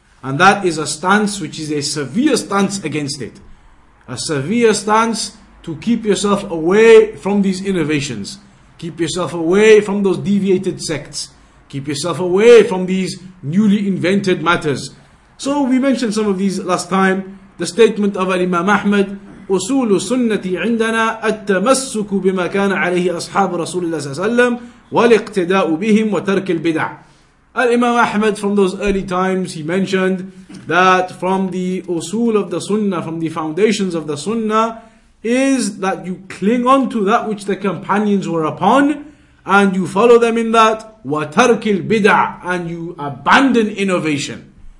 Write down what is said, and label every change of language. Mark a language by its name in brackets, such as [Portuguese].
[English] And that is a stance which is a severe stance against it. A severe stance to keep yourself away from these innovations. Keep yourself away from those deviated sects. Keep yourself away from these newly invented matters. So we mentioned some of these last time. The statement of Imam Ahmad, [Arabic] أصول سنتي عندنا التمسك بما كان عليه أصحاب رسول الله صلى الله عليه وسلم والاقتداء بهم وترك البدع. [English] Imam Ahmad, from those early times, he mentioned that from the أصول of the Sunnah, from the foundations of the Sunnah, is that you cling on to that which the companions were upon, and you follow them in that, [Arabic] وترك البدع, [English] and you abandon innovation.